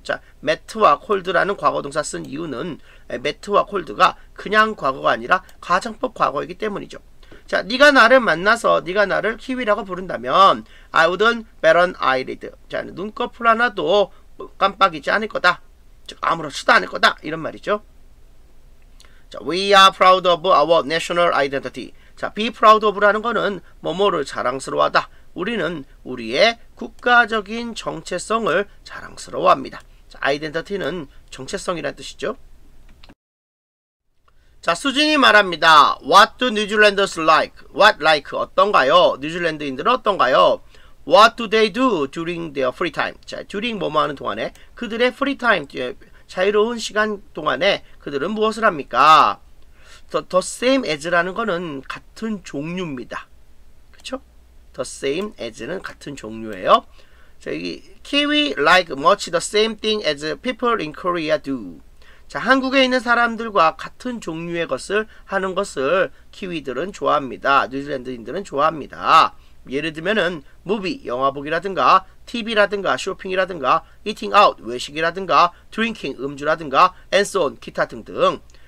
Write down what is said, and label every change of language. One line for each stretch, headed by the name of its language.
Korean: 자, met와 called라는 과거 동사 쓴 이유는 met와 called가 그냥 과거가 아니라 가정법 과거이기 때문이죠. 자, 네가 나를 만나서 네가 나를 키위라고 부른다면
English: I wouldn't bat an eyelid.
Korean: 자, 눈꺼풀 하나도 깜빡이지 않을 거다. 즉 아무렇지도 않을 거다. 이런 말이죠.
English: 자, we are proud of our national identity.
Korean: 자, be proud of라는 거는 뭐뭐를 자랑스러워하다. 우리는 우리의 국가적인 정체성을 자랑스러워합니다. 자, identity는 정체성이라는 뜻이죠.
English: 자,
Korean: 수진이 말합니다.
English: What do New Zealanders like? What like?
Korean: 어떤가요? 뉴질랜드인들은 어떤가요?
English: What do they do during their free time?
Korean: 자, during 뭐뭐하는 동안에 그들의 free time, 자유로운 시간 동안에 그들은 무엇을 합니까? The same as라는 거는 같은 종류입니다. 그쵸? The same as는 같은 종류예요.
English: 자, 여기 Kiwi like much the same thing as people in Korea do.
Korean: 자, 한국에 있는 사람들과 같은 종류의 것을 하는 것을 키위들은 좋아합니다. 뉴질랜드인들은 좋아합니다. 예를 들면은 무비, 영화 보기라든가, TV라든가, 쇼핑이라든가, eating out, 외식이라든가, drinking, 음주라든가, and so on, 기타 등등.